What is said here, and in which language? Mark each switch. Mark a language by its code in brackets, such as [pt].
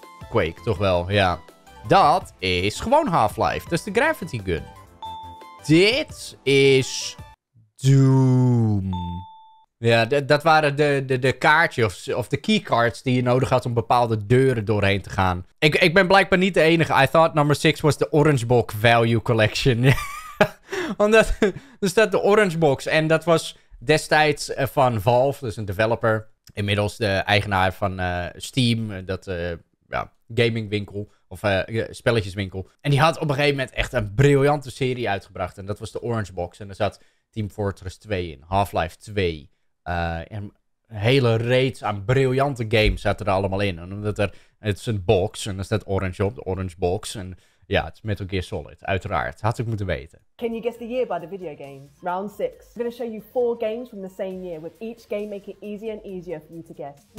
[nl] Quake, toch wel, ja. Dat is gewoon Half-Life. Dat is de Gravity Gun. Dit is Doom. Ja, dat waren de kaartjes of de keycards die je nodig had om bepaalde deuren doorheen te gaan. Ik ben blijkbaar niet de enige. [en] I thought number 6 was de Orange Box Value Collection. [nl] Omdat er staat de Orange Box. En dat was destijds van Valve, dus een developer. Inmiddels de eigenaar van Steam, dat ja, gamingwinkel. Of spelletjeswinkel. En die had op een gegeven moment echt een briljante serie uitgebracht. En dat was de Orange Box. En daar zat Team Fortress 2 in, Half-Life 2. Een hele reeks aan briljante games zaten er allemaal in. En omdat het is een box. En dan staat Orange op, de Orange Box. En ja, het is Metal Gear Solid, uiteraard. Had ik moeten weten. [en] Can you guess the year by the video game? Round 6. I'm going to show you 4 games from the same year. With each game make it easier and easier for you to guess.